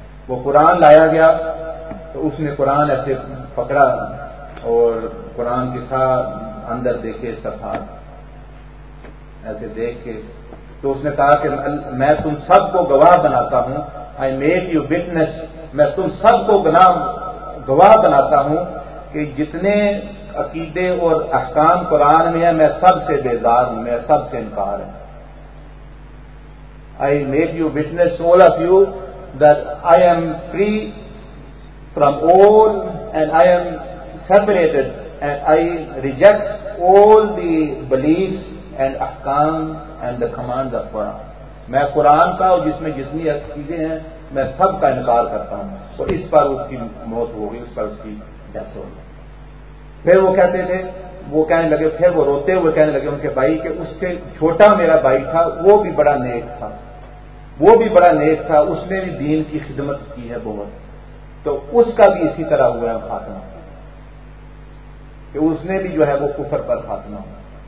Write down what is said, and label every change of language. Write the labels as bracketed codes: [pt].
[ur] وہ قرآن لایا گیا تو اس نے قرآن ایسے پکڑا اور قرآن کے ساتھ اندر دیکھے صفحات ایسے دیکھ کے, تو اس نے کہا کہ میں تم سب کو گواہ بناتا ہوں, [en] I make you witness, [ur] میں تم سب کو گواہ بناتا ہوں کہ جتنے عقیدے اور احکام قرآن میں ہیں میں سب سے بیزار ہوں, میں سب سے انکار ہوں. [en] I make you witness all of you that I am free from all and I am separated and I reject all the beliefs and احکام and the commands of Quran. [ur] میں قرآن کا اور جس میں جتنی عقیدے ہیں میں سب کا انکار کرتا ہوں, اور اس پر اس کی موت ہوگی, اس پر اس کی ڈیتھ ہوگی. پھر وہ کہتے تھے, وہ کہنے لگے, پھر وہ روتے ہوئے کہنے لگے ان کے بھائی کہ اس کے چھوٹا میرا بھائی تھا وہ بھی بڑا نیک تھا, وہ بھی بڑا نیک تھا, اس نے بھی دین کی خدمت کی ہے بہت, تو اس کا بھی اسی طرح ہوا ہے خاتمہ, کہ اس نے بھی جو ہے وہ کفر پر خاتمہ ہوا.